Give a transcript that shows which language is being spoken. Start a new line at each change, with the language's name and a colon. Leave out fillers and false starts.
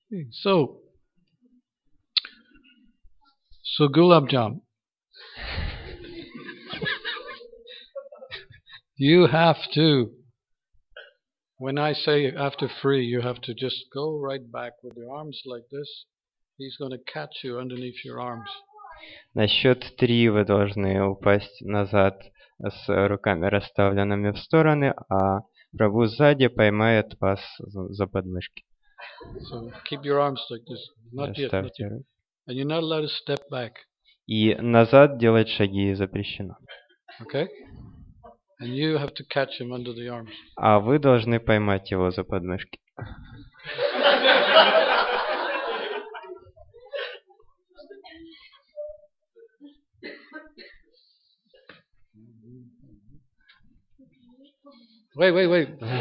English: So, so Gulab Jam, you have to, when I say after free, you have to just go right back with your arms like this. He's going to catch you underneath your arms.
Russian: На счет три вы должны упасть назад с руками расставленными в стороны, а Прабу сзади поймает вас за подмышки.
English: So keep your arms like this. Not yet. And you're not allowed to step back.
Russian: И назад делать шаги запрещено.
English: Okay. And you have to catch him under the arms.
Russian: А вы должны поймать его за подмышки.
English: Wait.